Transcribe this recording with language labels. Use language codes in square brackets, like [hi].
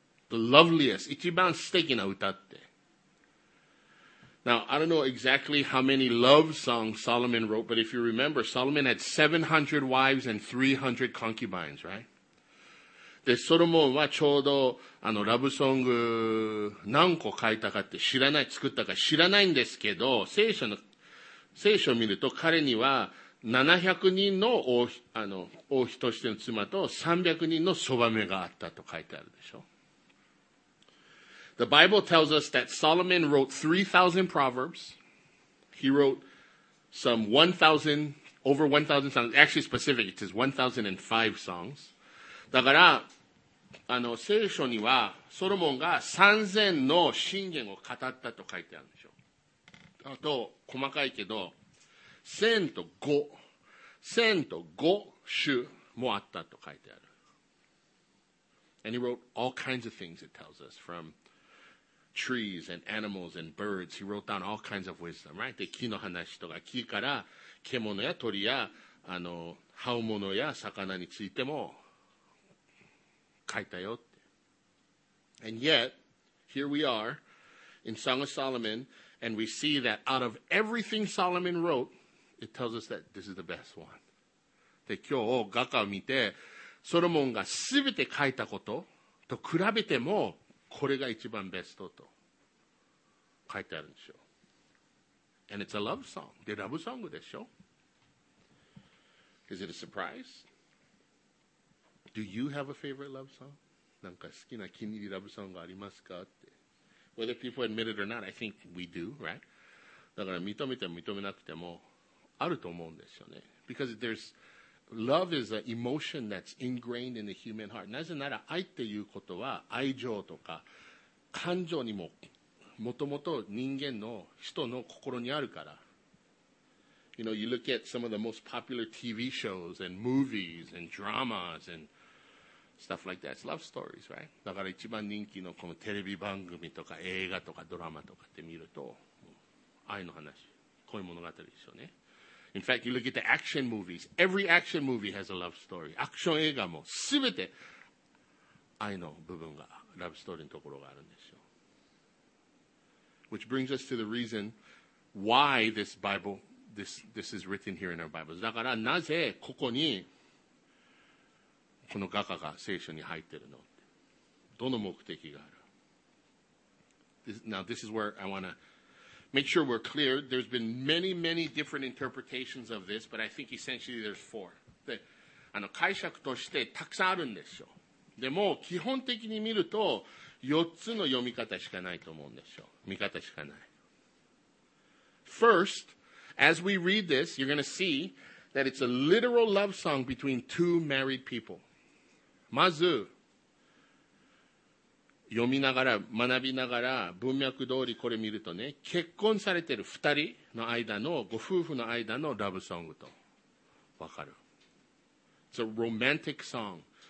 [en] The loveliest, [ja] 一番素敵な歌って。 [en] Now, I don't know exactly how many love songs Solomon wrote, but if you remember, Solomon had 700 wives and 300 concubines, right? [ja] で、ソロモンはちょうど、あの、ラブソング何個書いたかって知らない、作ったか知らないんですけど、聖書を見ると彼には700人の王妃としての妻と300人のそばめがあったと書いてあるでしょ。 [en] The Bible tells us that Solomon wrote 3,000 proverbs. He wrote some 1,000, over 1,000 songs. Actually, specific, it says 1,005 songs. [ja] だから、あの、聖書には、ソロモンが3,000の箴言を語ったと書いてあるんでしょ。あと、細かいけど、1,005首もあったと書いてある。 [en] And he wrote all kinds of things, it tells us, from trees and animals and birds. He wrote down all kinds of wisdom, right? [ja] で、木の話とか、木から獣や鳥や、あの、羽物や魚についても書いたよって。 [en] And yet, here we are in Song of Solomon, and we see that out of everything Solomon wrote, it tells us that this is the best one. [ja] で、今日画家を見て、ソロモンが全て書いたことと比べても、これが一番ベストと書いてあるんでしょう。 [en] And it's a love song. [ja] で、ラブソングでしょ。 [en] Is it a surprise? Do you have a favorite love song? [ja] なんか好きな気に入りラブソングありますかって。 [en] Whether people admit it or not, I think we do, right? [ja] だから認めても認めなくてもあると思うんですよね。 [en] Because there's Love is an emotion that's ingrained in the human heart. [ja] なぜなら愛っていうことは愛情とか感情にももともと人間の人の心にあるから。 [en] You know, you look at some of the most popular TV shows and movies and dramas and stuff like that. It's love stories, right? [ja] だから一番人気のこのテレビ番組とか映画とかドラマとかって見ると愛の話、恋物語ですよね。 [en] In fact, you look at the action movies. Every action movie has a love story. [ja] アクション映画もすべて愛の部分が、ラブストーリーのところがあるんですよ。 [en] Which brings us to the reason why this Bible, this is written here in our Bibles. [ja] だからなぜここに、この画家が聖書に入ってるのって。どの目的がある [en] this is where I want to... Make sure we're clear. There's been many, many different interpretations of this, but I think essentially there's four. [ja] で、あの、解釈としてたくさんあるんですよ。でも、基本的に見ると、四つの読み方しかないと思うんですよ。見方しかない。 [en] First, as we read this, you're going to see that it's a literal love song between two married people. [ja] まず、読みながら、学びながら、文脈通りこれ見るとね、結婚されてる二人の間の、ご夫婦の間のラブソングと、わかる。 [en] It's a romantic song.